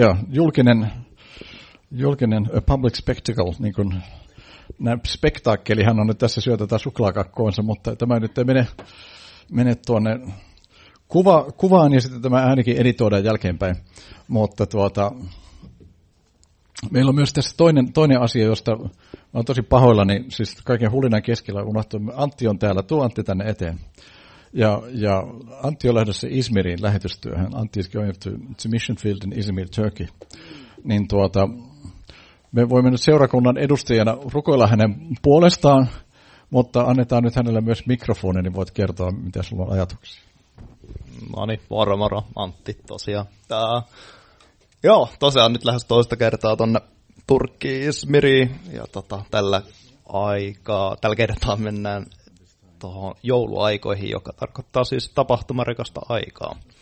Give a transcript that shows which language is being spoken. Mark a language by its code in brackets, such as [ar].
[fi] Julkinen [en] a public spectacle, [fi] niin kuin spektaakkeli, hän on nyt tässä syö tätä suklaakakkoonsa, mutta tämä nyt ei mene tuonne kuvaan ja sitten tämä äänikin editoidaan jälkeenpäin. Mutta meillä on myös tässä toinen asia, josta olen tosi pahoillani, siis kaiken hulinan keskellä unohtuu. Antti on täällä, tuo Antti tänne eteen. Ja Antti on lähdössä Izmirin lähetystyöhön. [en] Antti is going to the mission field in Izmir, Turkey. [fi] Niin me voimme nyt seurakunnan edustajana rukoilla hänen puolestaan, mutta annetaan nyt hänelle myös mikrofoni, niin voit kertoa, mitä sulla on ajatuksia. No niin, moro, Antti tosiaan. Joo, tosiaan nyt lähes toista kertaa tuonne Turkkiin Izmiriin, ja tällä kertaa mennään tuohon jouluaikoihin, joka tarkoittaa siis tapahtumarikasta aikaa.